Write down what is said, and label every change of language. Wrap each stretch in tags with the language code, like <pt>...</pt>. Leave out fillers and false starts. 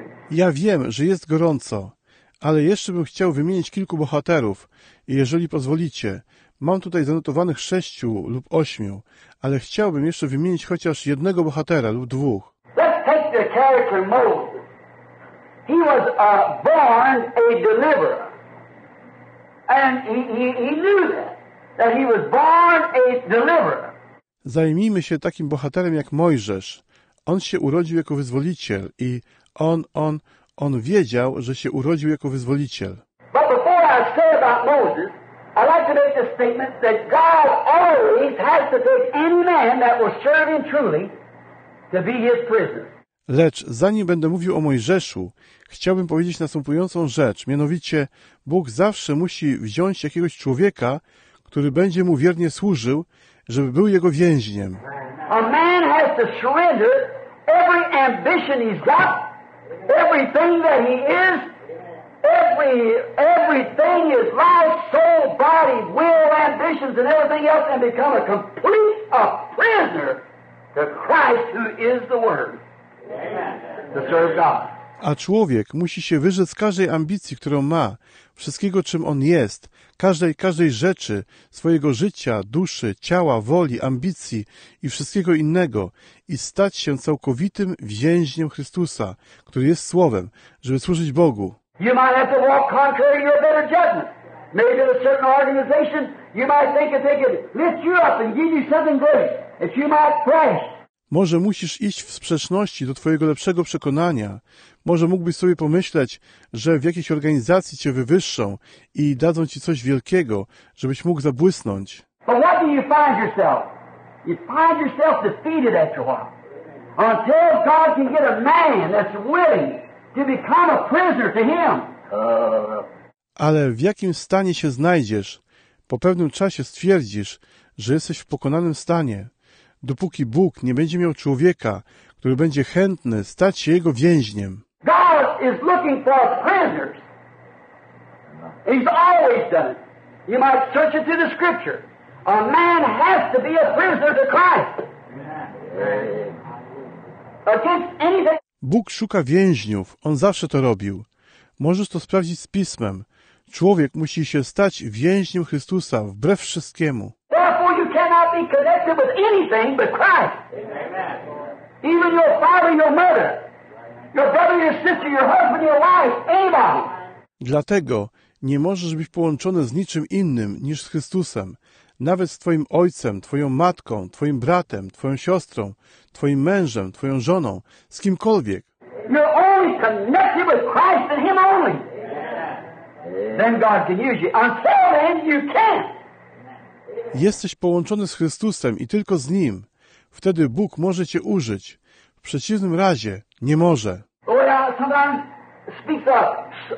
<pl>Ja wiem, że jest gorąco, ale jeszcze bym chciał wymienić kilku bohaterów. Jeżeli pozwolicie, mam tutaj zanotowanych 6 lub 8, ale chciałbym jeszcze wymienić chociaż jednego bohatera lub dwóch.</pl> <en>Let's take the character Moses. He was born a deliverer. And he knew that he was born a deliverer.</en> <pl>Zajmijmy się takim bohaterem jak Mojżesz. On się urodził jako wyzwoliciel i on wiedział, że się urodził jako wyzwoliciel.</pl> <en>But before I say about Moses, I like to make the statement that God always has to take any man that will serve him truly to be his prisoner.</en> <pl>Lecz zanim będę mówił o Mojżeszu, chciałbym powiedzieć następującą rzecz, mianowicie Bóg zawsze musi wziąć jakiegoś człowieka, który będzie mu wiernie służył, żeby był jego więźniem.</pl> <en>A man has to surrender every ambition he's got, everything that he is. Everything is life, soul, body, will, ambitions, and everything else, and become a complete a prisoner to Christ, who is the Word. Amen. To serve God.</en> <pl>A człowiek musi się wyrzec każdej ambicji, którą ma, wszystkiego, czym on jest, każdej rzeczy, swojego życia, duszy, ciała, woli, ambicji i wszystkiego innego i stać się całkowitym więźniem Chrystusa, który jest Słowem, żeby służyć Bogu.</pl> <en>You might have to walk contrary to your better judgment. Maybe in a certain organization, you might think that they could lift you up and give you something good if you might press.</en> <pl>Może musisz iść w sprzeczności do twojego lepszego przekonania. Może mógłbyś sobie pomyśleć, że w jakiejś organizacji cię wywyższą i dadzą ci coś wielkiego, żebyś mógł zabłysnąć.</pl> <en>But what do you find yourself? You find yourself defeated after a while. Until God can get a man that's willing to become a prisoner to him.</en> <pl>Ale w jakim stanie się znajdziesz? Po pewnym czasie stwierdzisz, że jesteś w pokonanym stanie. Dopóki Bóg nie będzie miał człowieka, który będzie chętny stać się jego więźniem.</pl> <en>God is looking for prisoners. He's always done it. You might search it through the scripture. A man has to be a prisoner to Christ.</en> <pl>Bóg szuka więźniów. On zawsze to robił. Możesz to sprawdzić z Pismem. Człowiek musi się stać więźniem Chrystusa wbrew wszystkiemu.</pl> <en>Therefore you cannot be connected with anything but Christ. Amen. Even your father, your mother, your brother, your sister, your husband, your wife, anybody.</en> <pl>Dlatego nie możesz być połączony z niczym innym niż z Chrystusem. Nawet z twoim ojcem, twoją matką, twoim bratem, twoją siostrą, twoim mężem, twoją żoną, z kimkolwiek.</pl> <en>You're only connected with Christ and Him only. Then God can use you. Until then, you can't.</en> <pl>Jesteś połączony z Chrystusem i tylko z Nim. Wtedy Bóg może cię użyć. W przeciwnym razie nie może.</pl> <en>Well, sometimes speak up.</en>